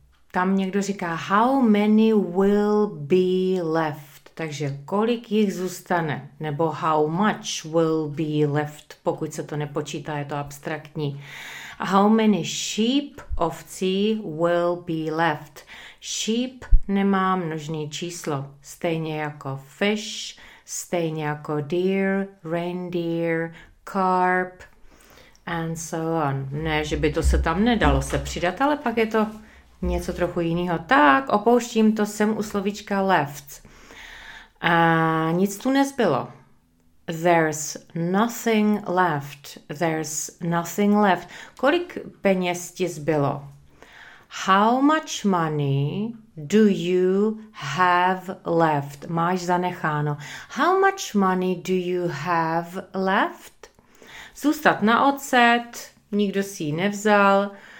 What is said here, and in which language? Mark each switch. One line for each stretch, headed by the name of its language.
Czech: Tam někdo říká,
English: how many will be left?
Czech: Takže kolik jich zůstane? Nebo
English: how much will be left?
Czech: Pokud se to nepočítá, je to abstraktní.
English: How many sheep,
Czech: ovcí,
English: will be left?
Czech: Sheep nemá množné číslo, stejně jako fish, stejně jako deer, reindeer, carp
English: and so on.
Czech: Ne, že by to se tam nedalo se přidat, ale pak je to něco trochu jiného. Tak, opouštím to sem u slovíčka left. A nic tu nezbylo.
English: There's nothing left. There's nothing left.
Czech: Kolik peněz ti zbylo?
English: How much money do you have left?
Czech: Máš zanecháno.
English: How much money do you have left?
Czech: Zůstat na ocet, nikdo si ji nevzal.